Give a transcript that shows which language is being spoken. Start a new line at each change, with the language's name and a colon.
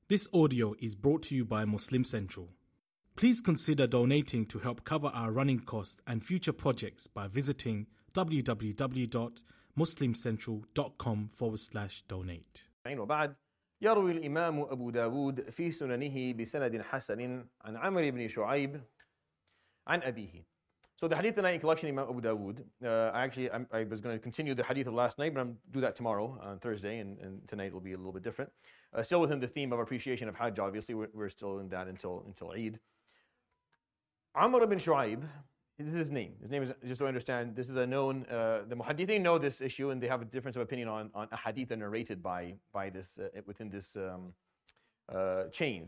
English: This audio is brought to you by Muslim Central. Please consider donating to help cover our running costs and future projects by visiting www.muslimcentral.com/donate.
Arabic: وبعد يروي الإمام أبو داود في سننه بسند حسن عن عمرو بن شعيب عن أبيه.
English: So the hadith tonight in collection Imam Abu Dawood, I was going to continue the hadith of last night, but I'm do that tomorrow on Thursday, and tonight will be a little bit different. Still within the theme of appreciation of Hajj, obviously, we're still in that until Eid. Amr ibn Shu'aib, this is his name. His name is, just so I understand, this is a known, the muhaddithin know this issue, and they have a difference of opinion on a hadith narrated by this, within this chain.